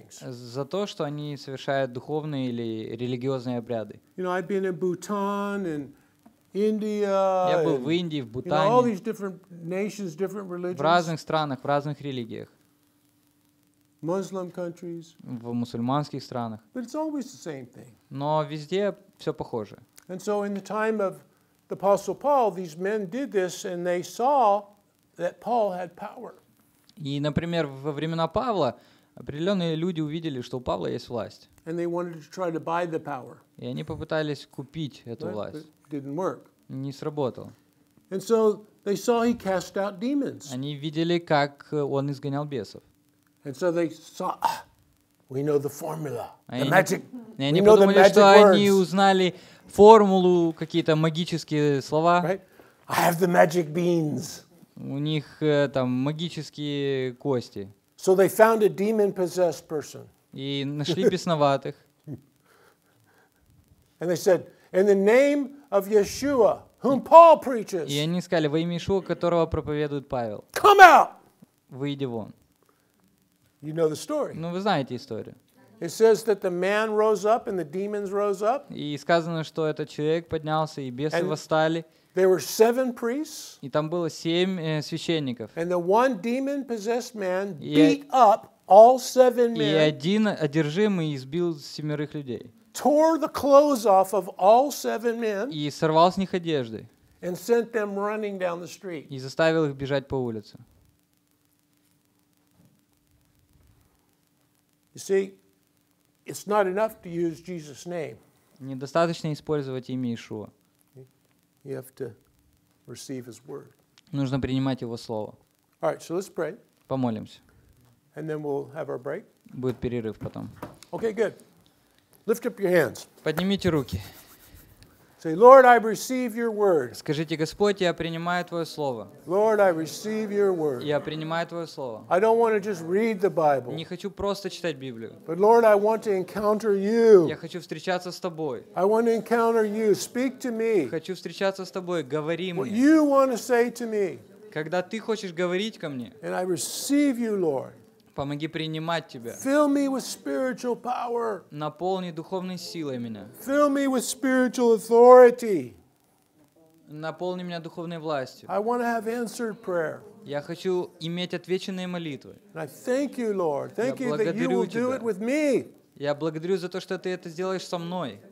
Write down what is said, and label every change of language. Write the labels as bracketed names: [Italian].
[Russian] За то, что они совершают духовные или религиозные обряды. [English] You know, I've been in Bhutan and India, [Russian] я был в Индии, в Бутане, [English] you know, all these different nations, different religions. [Russian] В разных странах, в разных религиях. [English] Muslim countries. [Russian] В мусульманских странах. [English] But it's always the same thing. [Russian] Но везде все похоже. [English] And so in the time of the Apostle Paul, these men did this and they saw that Paul had power. [Russian] И, например, во времена Павла определенные люди увидели, что у Павла есть власть. [English] And they wanted to try to buy the power. [Russian] И они попытались купить эту власть. [English] But it didn't work. [Russian] Не сработало. [English] And so they saw he cast out demons. [Russian] Они видели, как он изгонял бесов. [English] And so they saw, we know the formula, the magic. [Russian] И они подумали, что они узнали формулу, какие-то магические слова. [English] Right? I have the magic beans. [Russian] У них там магические кости. [English] So they found a demon-possessed person. [Russian] И нашли бесноватых. [English] And they said, in the name of Yeshua, whom Paul preaches. [Russian] И они сказали, во имя Иешуа, которого проповедует Павел. [English] Come out! [Russian] Выйди вон. [English] You know the story. [Russian] Ну, вы знаете историю. [English] It says that the man rose up and the demons rose up. [Russian] И сказано, что этот человек поднялся, и бесы восстали. [English] There were seven priests. [Russian] И там было семь священников. [English] And the one demon-possessed man beat up all seven men. [Russian] И один одержимый избил семерых людей. [English] Tore the clothes off of all seven men. [Russian] И сорвал с них одежды. [English] And sent them running down the street. [Russian] И заставил их бежать по улице. [English] You see, it's not enough to use Jesus' name. [Russian] Недостаточно использовать имя Иешуа. [English] You have to receive His word. [Russian] Нужно принимать Его Слово. [English] All right, so let's pray. [Russian] Помолимся. [English] And then we'll have our break. [Russian] Будет перерыв потом. [English] Okay, good. Lift up your hands. [Russian] Поднимите руки. [English] Say, Lord, I receive your word. [Russian] Скажите, Господь, я принимаю Твое Слово. [English] Lord, I receive your word. [Russian] Я принимаю Твое Слово. [English] I don't want to just read the Bible. [Russian] Не хочу просто читать Библию. [English] But Lord, I want to encounter you. [Russian] Я хочу встречаться с Тобой. [English] I want to encounter you. Speak to me. [Russian] Хочу встречаться с Тобой. Говори мне. [English] What you want to say to me. [Russian] Когда Ты хочешь говорить ко мне. [English] And I receive you, Lord. [Russian] Помоги принимать Тебя. [English] Fill me with spiritual power. [Russian] Наполни духовной силой меня. [English] Fill me with spiritual authority. [Russian] Наполни меня духовной властью. [English] I want to have answered prayer. [Russian] Я хочу иметь отвеченные молитвы. [English] And I thank you, Lord. Thank you that you will do it with me. [Russian] Я благодарю за то, что Ты это сделаешь со мной.